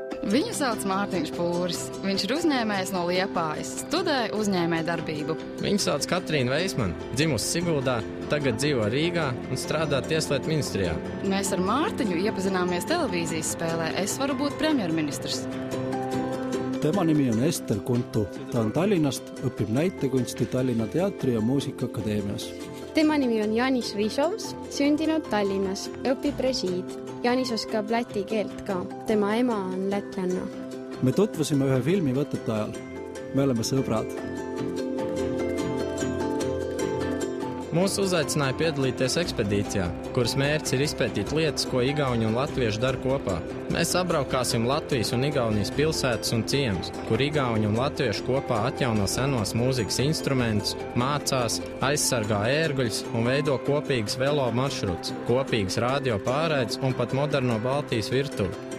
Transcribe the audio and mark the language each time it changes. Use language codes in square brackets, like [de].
[lv] Viņu sauc Mārtiņš Pūris. Viņš ir uzņēmējs no Liepājas. Studē uzņēmē darbību. Viņu sauc Katrīna Veismana. Dzimusi Siguldā, tagad dzīvo Rīgā un strādā Tieslietu ministrijā. Mēs ar Mārtiņu iepazināmies televīzijas spēlē. Es varu būt premjerministrs. [et] Tema nimi on Ester Kuntu. Ta on Tallinnast, õpib näitekunsti Tallinna teatri ja muusikakadeemias. Tema nimi on Janis Rišovs, sündinud Tallinnas, õpib režiid. Janis oskab läti keelt ka. Tema ema on lätlanna. Me tutvusime ühe filmi võtete ajal. Me oleme sõbrad. [lv] Mūs uzaicināja piedalīties ekspedīcijā, kuras mērķis ir izpētīt lietas, ko igauņi un latvieši dar kopā. Mēs apbraukāsim Latvijas un Igaunijas pilsētas un ciems, kur igauņi un latvieši kopā atjauno senos mūzikas instrumentus, mācās, aizsargā ērguļus un veido kopīgas velo maršruts, kopīgas radio pārraides un pat moderno Baltijas virtuvi.